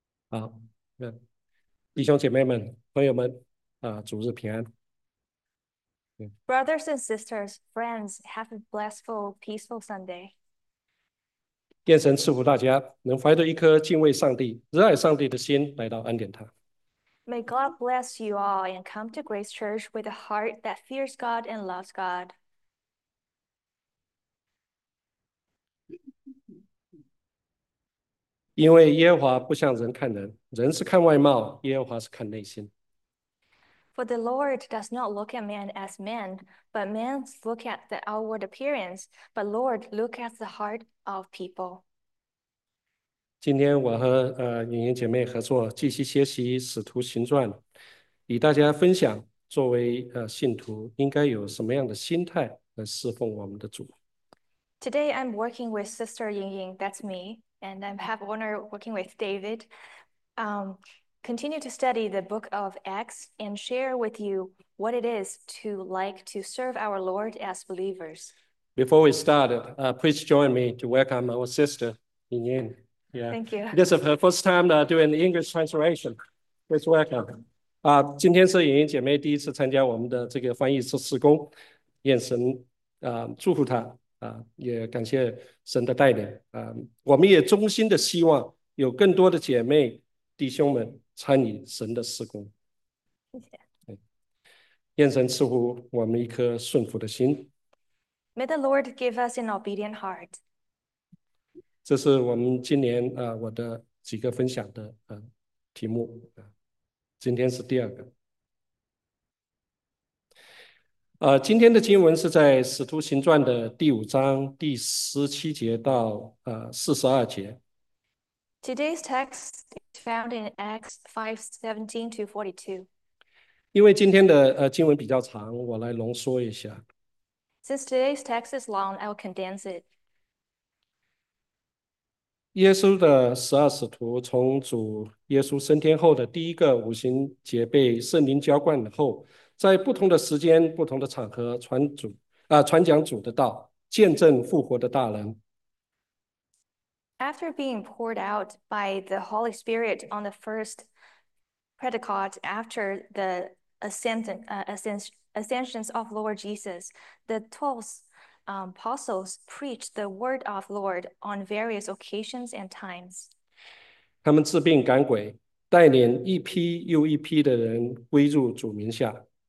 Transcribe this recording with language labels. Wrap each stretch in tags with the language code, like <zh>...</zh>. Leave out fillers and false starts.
<zh>好，那弟兄姐妹们、朋友们，主日平安。</zh> <en>Brothers and sisters, friends, have a blessful, peaceful Sunday.</en> <zh>愿神赐福大家，能怀着一颗敬畏上帝、热爱上帝的心来到恩典堂。</zh> <en>May God bless you all and come to Grace Church with a heart that fears God and loves God.</en> <zh>因为耶和华不像人看人，人是看外貌，耶和华是看内心。</zh> <en>For the Lord does not look at man as man, but men look at the outward appearance, but Lord look at the heart of people.</en> <zh>今天我和莹莹姐妹合作，继续学习《使徒行传》，与大家分享作为信徒应该有什么样的心态来侍奉我们的主。</zh> <en>Today I'm working with Sister Ying Ying, that's me, and I have honor working with David. Continue to study the book of Acts and share with you what it is to like to serve our Lord as believers. Before we start, please join me to welcome our sister, Yin Yin. Yeah, Thank you. this is her first time doing English translation. Please welcome.</en> <zh>今天是莹莹姐妹第一次参加我们的这个翻译师事工，愿神祝福她也感谢神的带领我们也衷心的希望有更多的姐妹弟兄们参与神的事工。愿神赐福我们一颗顺服的心。</zh> <en>May the Lord give us an obedient heart.</en> <zh>这是我们今年我的几个分享的题目今天是第二个。今天的经文是在《使徒行传》的第五章第17节到42节。</zh> <en>Today's text is found in Acts 5:17 to 42.</en> <zh>因为今天的经文比较长，我来浓缩一下。</zh> <en>Since today's text is long, I will condense it.</en> <zh>耶稣的十二使徒从主耶稣升天后的第一个五旬节被圣灵浇灌后，在不同的时间、不同的场合传讲主的道，见证复活的大能。</zh> <en>After being poured out by the Holy Spirit on the first Pentecost, after the ascensions of Lord Jesus, the 12 apostles preached the word of Lord on various occasions and times.</en> <zh>他们治病赶鬼，带领一批又一批的人归入主名下。</zh>